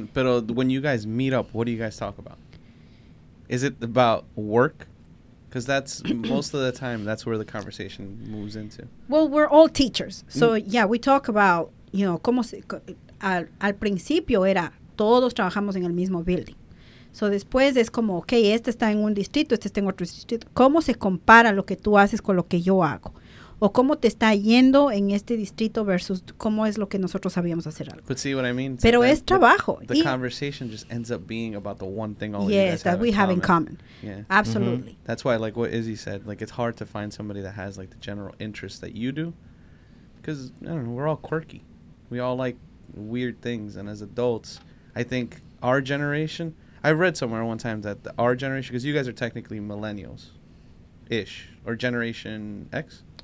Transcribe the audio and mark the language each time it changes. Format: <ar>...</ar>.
<es>Pero</es> <en>when you guys meet up, what do you guys talk about? Is it about work? Because that's most of the time, that's where the conversation moves into. Well, we're all teachers. So, yeah, we talk about, you know,</en> <es>cómo se... Al principio era, todos trabajamos en el mismo building.</es> <en>So</en> <es>después es como, okay, este está en un distrito, este está en otro distrito. ¿Cómo se compara lo que tú haces con lo que yo hago? ¿O cómo te está yendo en este distrito versus cómo es lo que nosotros sabíamos hacer algo?</es> <en>But see what I mean?</en> <es>Pero es trabajo.</es> <en>The conversation just ends up being about the one thing all you guys have in common. Yeah. Absolutely. Mm-hmm. That's why, like what Izzy said, like it's hard to find somebody that has like the general interest that you do. Because, I don't know, we're all quirky. We all like weird things, and as adults, I think our generation, I read somewhere one time that our generation, because you guys are technically millennials ish or generation X.</en>